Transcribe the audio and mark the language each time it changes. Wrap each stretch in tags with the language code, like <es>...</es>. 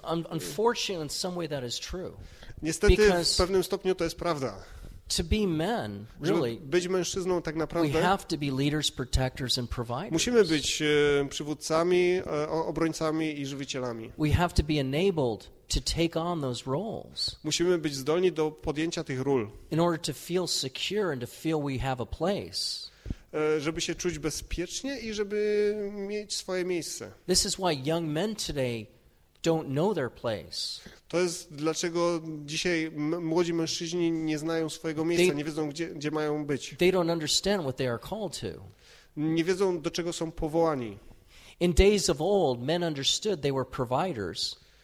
<en>Unfortunately, in some way that is true.</en> <pl>Niestety, w pewnym stopniu to jest prawda.</pl> <en>To be men, really,</en> <pl>być mężczyzną, tak naprawdę,</pl> <en>we have to be leaders, protectors, and providers.</en> <pl>Musimy być przywódcami, obrońcami i żywicielami.</pl> <en>We have to be enabled to take on those roles.</en> <pl>Musimy być zdolni do podjęcia tych ról.</pl> <en>In order to feel secure and to feel we have a place.</en> <pl>Żeby się czuć bezpiecznie i żeby mieć swoje miejsce.</pl> <en>This is why young men today don't know their place.</en> <pl>To jest dlaczego dzisiaj młodzi mężczyźni nie znają swojego miejsca, nie wiedzą gdzie mają być.</pl> <en>They don't understand what they are called to.</en> <pl>Nie wiedzą do czego są powołani.</pl> <en>In days of old, men understood they were providers.</en>